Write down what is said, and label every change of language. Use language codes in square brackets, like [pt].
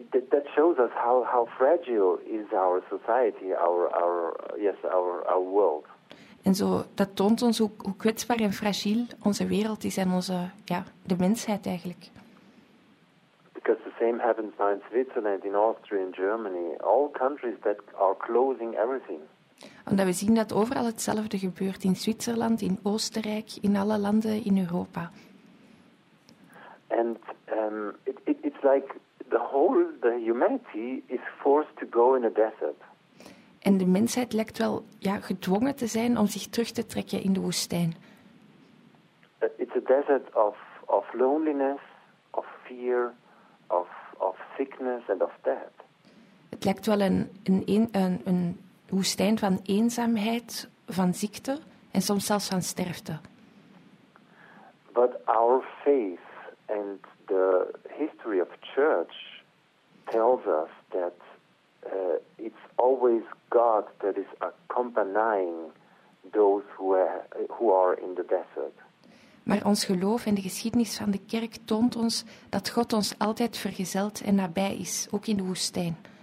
[en] That shows us how fragile is our society, our world. [nl] En zo, dat toont ons hoe kwetsbaar en fragiel onze wereld is en onze, ja, de mensheid eigenlijk. [en] Because the same happens now in Switzerland, in Austria, in Germany, all countries that are closing everything. [nl] Omdat we zien dat overal hetzelfde gebeurt, in Zwitserland, in Oostenrijk, in alle landen in Europa. [en] And it's like the humanity is forced to go in a desert. [nl] En de mensheid lijkt wel ja, gedwongen te zijn om zich terug te trekken in de woestijn. [en] It's a desert of loneliness, of fear, of sickness and of death. [nl] Het lijkt wel een woestijn van eenzaamheid, van ziekte en soms zelfs van sterfte. [en] But our faith and the history of church tells us that it's always God that is accompanying those who are in the desert. [nl] Maar ons geloof en de geschiedenis van de kerk toont ons dat God ons altijd vergezeld en nabij is, ook in de woestijn.